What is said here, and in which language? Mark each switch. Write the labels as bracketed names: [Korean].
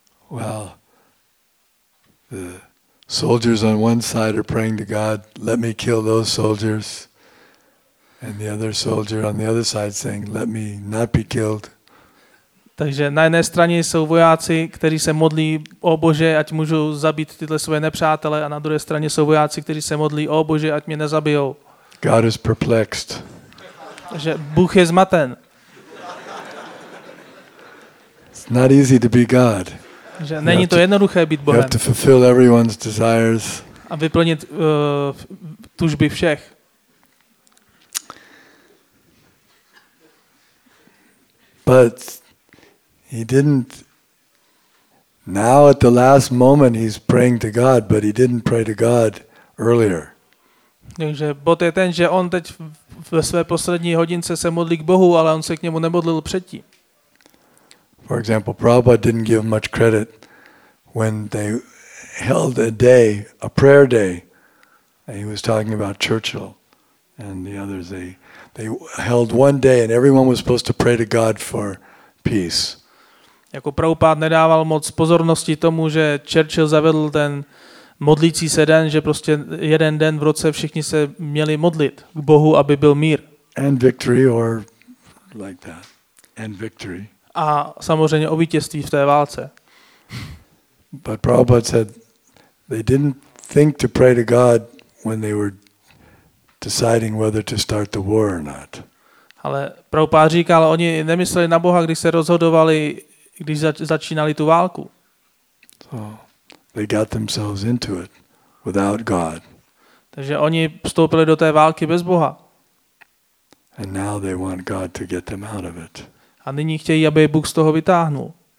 [English] Well, the soldiers on one side are praying to God, let me kill those soldiers. And the other soldier on the other side saying, let me not be killed. [Czech] Takže na jedné straně jsou vojáci, kteří se modlí, o Bože, ať můžu zabít tyhle svoje nepřátele, a na druhé straně jsou vojáci, kteří se modlí, o Bože, ať mě nezabijou. [English] God is perplexed. [Czech] Že Bůh je zmaten. [English] It's not easy to be God. [Czech] Že není to jednoduché být Bohem. [English] You have to fulfill everyone's desires. [Czech] A vyplnit tužby všech. [English] But he didn't. Now at the last moment he's praying to God, but he didn't pray to God earlier. [Czech] Takže bod je ten, že on teď ve své poslední hodince se modlí k Bohu, ale on se k němu nemodlil předtím. [English] For example, Prabhupada didn't give much credit when they held a day, a prayer day. And he was talking about Churchill and the others. They held one day and everyone was supposed to pray to God for peace. [Czech] Jako Prabhupád nedával moc pozornosti tomu, že Churchill zavedl ten modlící se den, že prostě jeden den v roce všichni se měli modlit k Bohu, aby byl mír. [English] And victory or like that. And victory. [Czech] A samozřejmě o vítězství v té válce. [English] But Prabhupada said they didn't think to pray to God when they were deciding whether to start the war or not. [Czech] Ale Prabhupád říkal, oni nemysleli na Boha, když se rozhodovali, když začínali tu válku. [English] So they got themselves into it without God. [Czech] Takže oni vstoupili do té války bez Boha. [English] And now they want God to get them out of it. [Czech] A nyní chtějí, aby Bůh z toho vytáhnul.